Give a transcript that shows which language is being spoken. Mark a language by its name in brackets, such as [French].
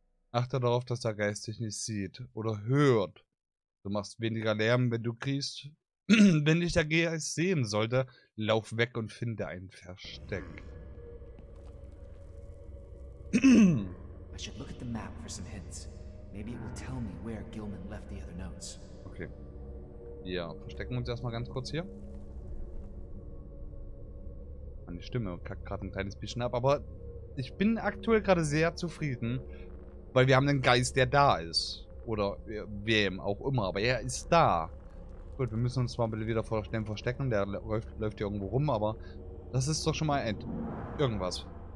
[German] Achte darauf, dass der Geist dich nicht sieht oder hört. Du machst weniger Lärm, wenn du kriegst. Wenn dich der Geist sehen sollte, lauf weg und finde ein Versteck. [English] I should look at the map for some hints. Maybe it will tell me where Gilman left the other notes. Okay. [German] Wir verstecken uns erstmal ganz kurz hier. Meine Stimme kackt gerade ein kleines bisschen ab, aber ich bin aktuell gerade sehr zufrieden, weil wir haben einen Geist, der da ist. Oder wem auch immer, aber er ist da. Gut, wir müssen uns zwar ein bisschen wieder vor dem verstecken, der läuft hier irgendwo rum, aber das ist doch schon mal ein irgendwas.